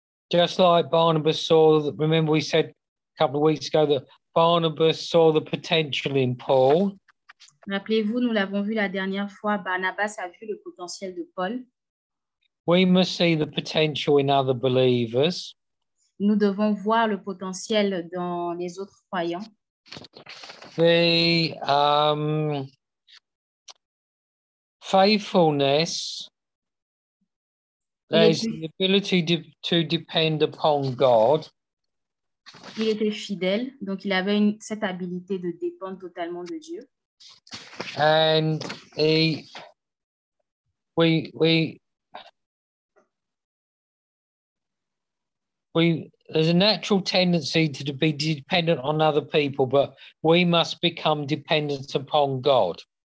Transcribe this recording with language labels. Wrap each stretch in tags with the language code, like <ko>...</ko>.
<en>Just like Barnabas saw, remember we said a couple of weeks ago that Barnabas saw the potential in Paul.</en> <fr>Rappelez-vous, nous l'avons vu la dernière fois, Barnabas a vu le potentiel de Paul.</fr> <en>We must see the potential in other believers.</en> <fr>Nous devons voir le potentiel dans les autres croyants.</fr> <en>The faithfulness is the ability to depend upon God.</en> <fr>Il était fidèle, donc il avait une, cette habilité de dépendre totalement de Dieu.</fr> <en>And he, there's a natural tendency to be dependent on other people, but we must become dependent upon God.</en>